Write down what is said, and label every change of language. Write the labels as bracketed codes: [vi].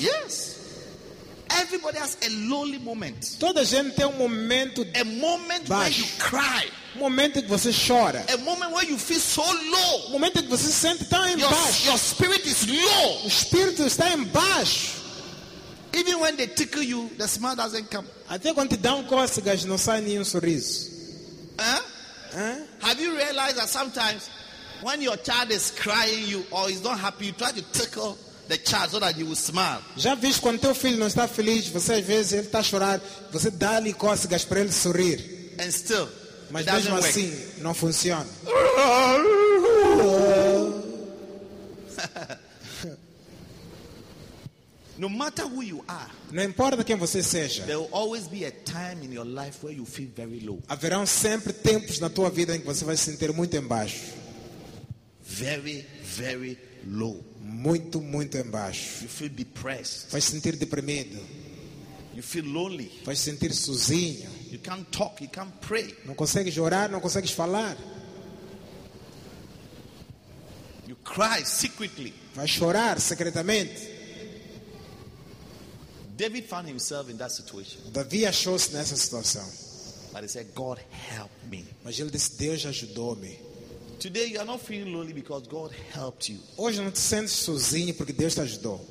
[en] Yes. Everybody has a lowly moment. [pt] Toda gente tem momento [en] a moment [pt] baixo. [en] Where you cry. [pt] Momento que você chora. [en] A moment where you feel so low. [pt] Momento que você sente tão em baixo. [en] Your spirit is low. [pt] O espírito está em baixo. [en] Even when they tickle you, the smile doesn't come. [pt] Até quando te dão cócegas, não sai nenhum sorriso. [en] Have you realized that sometimes when your child is crying you or is not happy, you try to tickle the child so that you will smile. [pt] Já viste quando teu filho não está feliz, você às vezes ele está a chorar, você dá-lhe cócegas para ele sorrir. [en] And still, [pt] mas mesmo assim, [en] work. [pt] Não funciona. [en] No matter who you are, [pt] não importa quem você seja, [en] there will always be a time in your life where you feel very low. [pt] Haverão sempre tempos na tua vida em que você vai se sentir muito embaixo. [en] Very, very low. [pt] Muito, muito embaixo. [en] You feel depressed. [pt] Vai se sentir deprimido. [en] You feel lonely. [pt] Vai se sentir sozinho. [en] You can't talk, you can't pray. [pt] Não consegues orar, não consegues falar. [en] You cry secretly. [pt] Vai chorar secretamente. [en] David found himself in that situation. [pt] Davi achou-se nessa situação. [en] But he said, God help me. [pt] Mas ele disse, Deus ajudou-me. [en] Today you are not feeling lonely because God helped you. [pt] Hoje não te sentes sozinho porque Deus te ajudou.